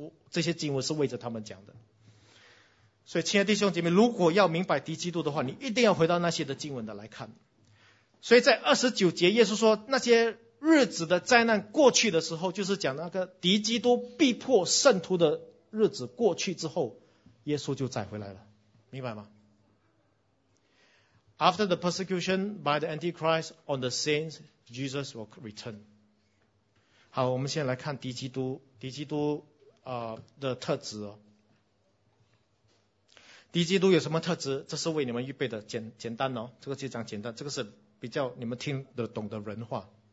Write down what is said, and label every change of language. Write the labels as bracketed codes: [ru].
[zh] 这些经文是为着他们讲的。所以亲爱的弟兄姐妹，如果要明白敌基督的话，你一定要回到那些的经文的来看。所以在二十九节耶稣说那些日子的灾难过去的时候，就是讲那个敌基督逼迫圣徒的日子过去之后，耶稣就再回来了，明白吗？ [en] After the persecution by the Antichrist on the saints, Jesus will return. [zh] 好，我们先来看敌基督，敌基督的特质哦。敌基督有什么特质？这是为你们预备的，简单哦，这个就讲简单，这个是比较你们听得懂的人话。